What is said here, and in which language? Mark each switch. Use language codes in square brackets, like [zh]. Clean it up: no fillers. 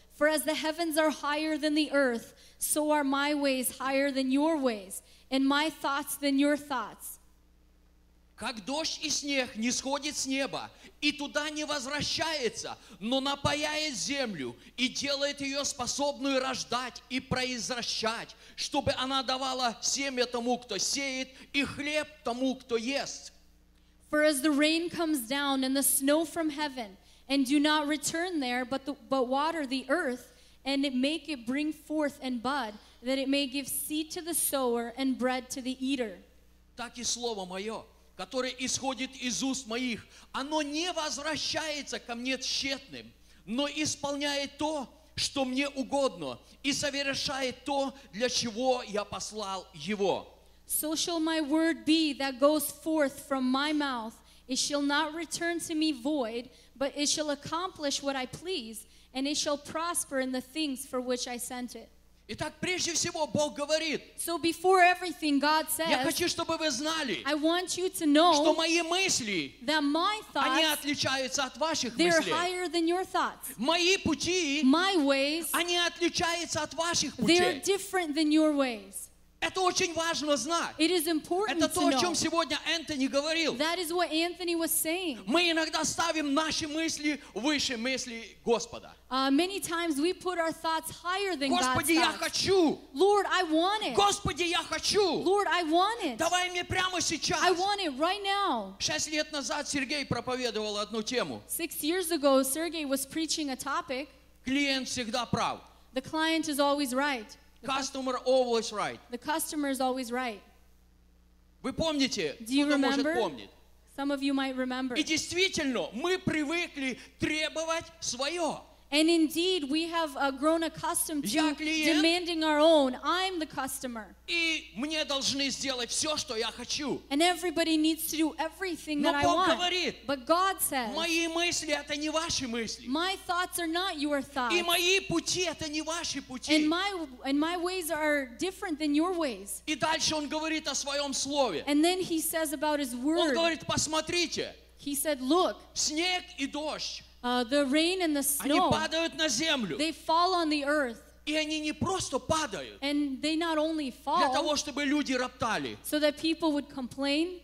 [en] For as the heavens are higher than the earth, so are my ways higher than your ways. And my thoughts than your thoughts. [ru] Как дождь и снег не сходит с неба и туда не возвращается, но напояет землю и делает ее способную рождать и произращать, чтобы она давала семя тому, кто сеет, и хлеб тому, кто ест. [en] For as the rain comes down and the snow from heaven and do not return there, but water the earth and it make it bring forth and bud. That it may give seed to the sower and bread to the eater. [ru] Так и слово мое, которое исходит из уст моих, оно не возвращается ко мне тщетным, но исполняет то, что мне угодно, и совершает то, для чего я послал его. [en] So shall my word be that goes forth from my mouth; it shall not return to me void, but it shall accomplish what I please, and it shall prosper in the things for which I sent it. [ru] Итак, прежде всего, Бог говорит, [en] so before everything, God says, [ru] я хочу, чтобы вы знали, [en] I want you to know, [ru] что мои мысли, [en] that my thoughts, [ru] они отличаются от ваших мыслей. [en] They're higher than your thoughts. [ru] Мои пути, [en] my ways, [ru] они отличаются от ваших путей. [en] They're different than your ways. [ru] Это очень важно знать. [en] It is important [ru] Это то, [en] to know. [ru] О чем сегодня Энтони говорил. [en] That is what Anthony was saying. [ru] Мы иногда ставим наши мысли выше мыслей Господа. [en] Many times we put our thoughts higher than [ru] Господи, [en] God's thoughts. [ru] Я хочу. [en] Lord, I want it. [ru] Господи, я хочу. [en] Lord, I want it. [ru] Давай мне прямо сейчас. [en] I want it right now. [ru] 6 лет назад Сергей проповедовал одну тему. [en] 6 years ago, Sergey was preaching a topic. [ru] Клиент всегда прав. [en] The client is always right. Customer always right. The customer is always right. [ru] Вы помните? [en] Do you remember? [ru] Кто-то может помнить. [en] Some of you might remember. [ru] И действительно, мы привыкли требовать свое. [en] And indeed, we have grown accustomed to demanding our own. I'm the customer. [ru] И мне должны сделать все, что я хочу. [en] And everybody needs to do everything that I want. But God says, [ru] мои мысли это не ваши мысли. [en] My thoughts are not your thoughts. [ru] И мои пути это не ваши пути. [en] And my ways are different than your ways. [ru] И дальше он говорит о своем слове. [en] And then he says about his word. [ru] Он говорит, посмотрите. [en] He said, look. [ru] Снег и дождь. [en] The rain and the snow, they fall on the earth. And they not only fall [ru] того, [en] so that people would complain.